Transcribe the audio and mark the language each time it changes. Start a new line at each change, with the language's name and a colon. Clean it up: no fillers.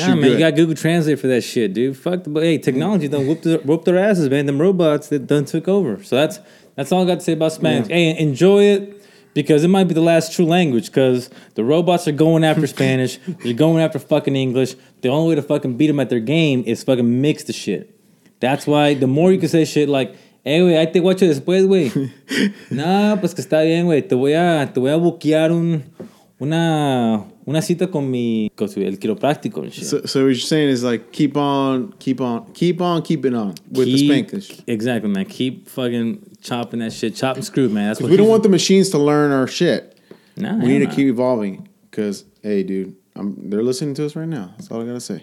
English: Nah, man, good. You got Google Translate for that shit, dude. Fuck, hey, technology done whooped their asses, man. Them robots that done took over. So that's all I got to say about Spanish. Yeah. Hey, enjoy it, because it might be the last true language, because the robots are going after Spanish. They're going after fucking English. The only way to fucking beat them at their game is fucking mix the shit. That's why the more you can say shit like, hey,
Spanish: güey, ahí te guacho después, güey. Nah, pues que está bien, güey. Te voy a buquear una cita con mi el quiropráctico
English: and shit. So what you're saying is like keep on keeping on with the Spanglish. Exactly, man. Keep fucking chopping that shit. Chop and screw, man. Because we don't want the machines to learn our shit. Nah, we need to keep evolving. Because, hey, dude. They're listening to us right now. That's all I gotta say.